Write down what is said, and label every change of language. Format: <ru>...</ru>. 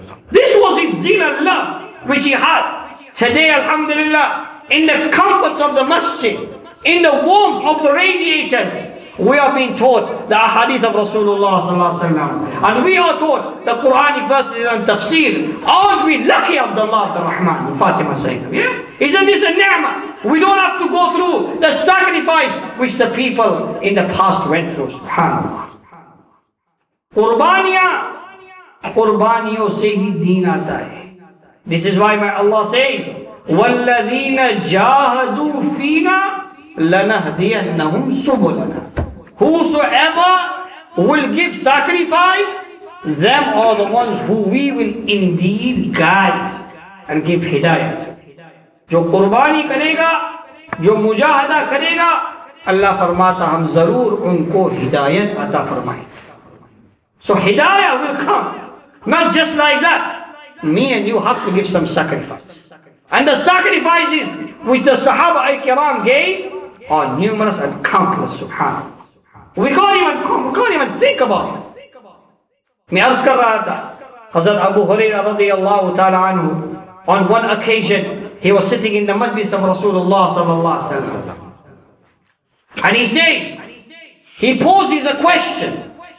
<en>This was his zeal and love which he had. Today, alhamdulillah, in the comforts of the masjid, in the warmth of the radiators, we are being taught the ahadith of Rasulullah sallallahu alayhi wa sallam. And we are taught the Quranic verses and tafsir. Aren't we lucky, Abdullah Abdul Rahman, Fatima Sayyidah? Yeah? Isn't this a ni'mah? We don't have to go through the sacrifice which the people in the past went through, subhanAllah.</en> <ur>قربانیاں قربانیوں سے ہی دین آتا ہے.</ur> <en>This is why my Allah says</en> <ar>وَالَّذِينَ جَاهَدُوا فِينَا لَنَهْدِيَنَّهُمْ سُبُلَنَا.</ar> <en>Whosoever will give sacrifice, them are the ones who we will indeed guide and give hidayat.</en> <ur>جو قربانی کرے گا, جو مجاہدہ کرے گا, اللہ فرماتا ہم ضرور ان کو ہدایت عطا فرمائیں.</ur> <en>So hidayah will come. Not just like that. Me and you have to give some sacrifice. And the sacrifices which the Sahaba al-Kiram gave are numerous and countless. Subhanallah. We can't even think about it.</en> <ur>میں عرض کر رہا تھا حضرت ابو ہریرہ رضی اللہ تعالی عنہ,</ur> <en>on one occasion he was sitting in the majlis of Rasulullah صلی اللہ علیہ وسلم, and he says, he poses a question.</en>